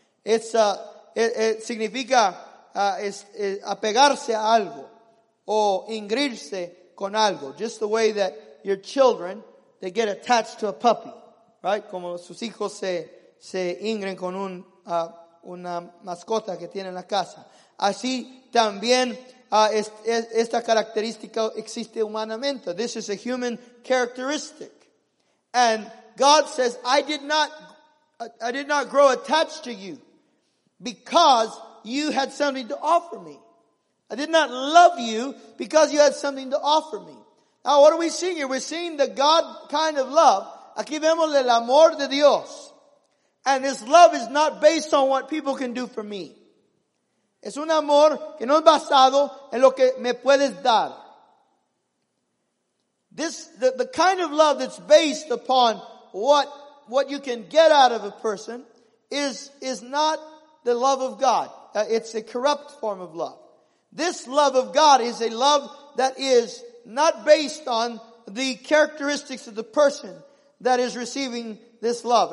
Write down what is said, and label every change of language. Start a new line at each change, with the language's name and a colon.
Spanish: It significa apegarse a algo o ingrirse con algo.
English: Just the way that your children, they get attached to a puppy, right?
Spanish: Como sus hijos se ingren con una mascota que tiene en la casa. Así también esta característica existe humanamente.
English: This is a human characteristic. And God says, I did not grow attached to you because you had something to offer me. I did not love you because you had something to offer me. Now, what are we seeing here? We're seeing the God kind of love.
Spanish: Aquí vemos el amor de Dios.
English: And this love is not based on what people can do for me.
Spanish: Es un amor que no es basado en lo que me puedes dar.
English: The kind of love that's based upon what you can get out of a person is not the love of God. It's a corrupt form of love. This love of God is a love that is not based on the characteristics of the person that is receiving this love.